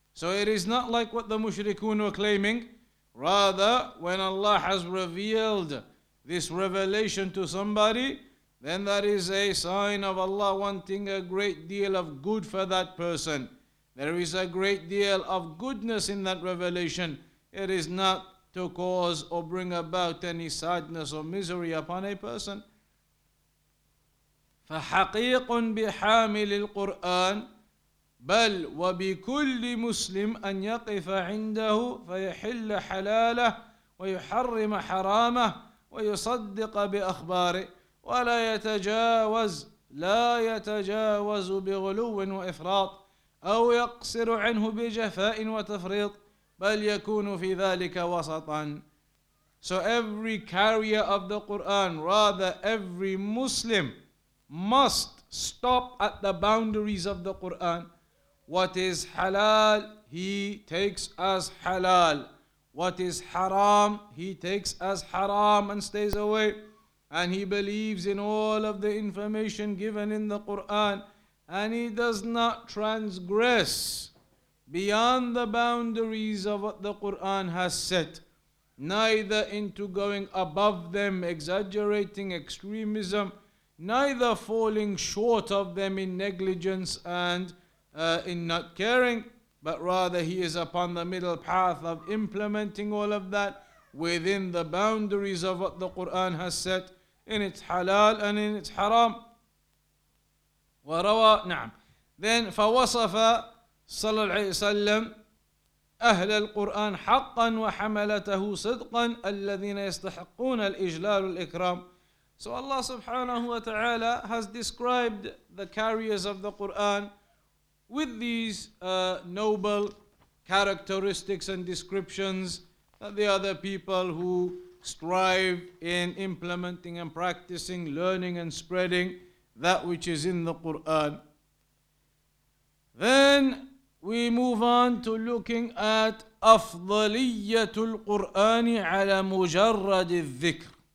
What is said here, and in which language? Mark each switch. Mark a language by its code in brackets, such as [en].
[en] So it is not like what the mushrikun were claiming. Rather, when Allah has revealed this revelation to somebody, then that is a sign of Allah wanting a great deal of good for that person. There is a great deal of goodness in that revelation. It is not to cause or bring about any sadness or misery upon a person. [ar] فحقيق بحامل القرآن بل وبكل مسلم أن يقف عنده فيحل حلاله ويحرم حرامه ويصدق بأخباره ولا يتجاوز لا يتجاوز بغلو وإفراط أو يقصر عنه بجفاء وتفريط بل يكون في ذلك وسطا. [en] So every carrier of the Quran, rather every Muslim, must stop at the boundaries of the Quran. What is halal, he takes as halal. What is haram, he takes as haram and stays away. And he believes in all of the information given in the Quran. And he does not transgress beyond the boundaries of what the Quran has set, neither into going above them, exaggerating extremism, neither falling short of them in negligence and in not caring, but rather he is upon the middle path of implementing all of that within the boundaries of what the Quran has set in its halal and in its haram. [ar] وروى نعم. [en] Then [ar] فوصف صلى الله عليه وسلم أهل القرآن حقا وحملته صدقا الذين يستحقون الإجلال والإكرام. [en] So Allah subhanahu wa ta'ala has described the carriers of the Qur'an with these noble characteristics and descriptions, that they are the people who strive in implementing and practicing, learning and spreading that which is in the Qur'an. Then we move on to looking at [ar] أفضلية القرآن على مجرد الذكر.